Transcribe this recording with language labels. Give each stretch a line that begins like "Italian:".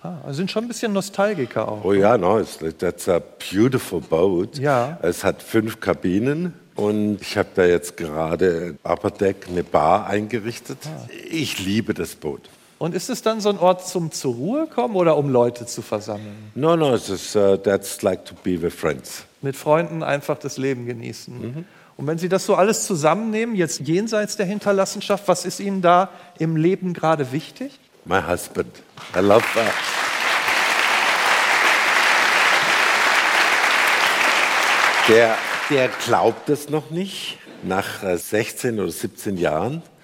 German: Ah, sind schon ein bisschen Nostalgiker auch.
English: Oh ja, no, that's a beautiful boat.
German: Ja. Es hat 5 Kabinen und ich habe da jetzt gerade Upper Deck eine Bar eingerichtet. Ah. Ich liebe das Boot. Und ist es dann so ein Ort zum zur Ruhe kommen oder um Leute zu versammeln? No, no, it's just, that's like to be with friends. Mit Freunden einfach das Leben genießen. Mhm. Und wenn Sie das so alles zusammennehmen, jetzt jenseits der Hinterlassenschaft, was ist Ihnen da im Leben gerade wichtig?
English: My husband. I love that.
German: Der glaubt es noch nicht, nach 16 oder 17 Jahren.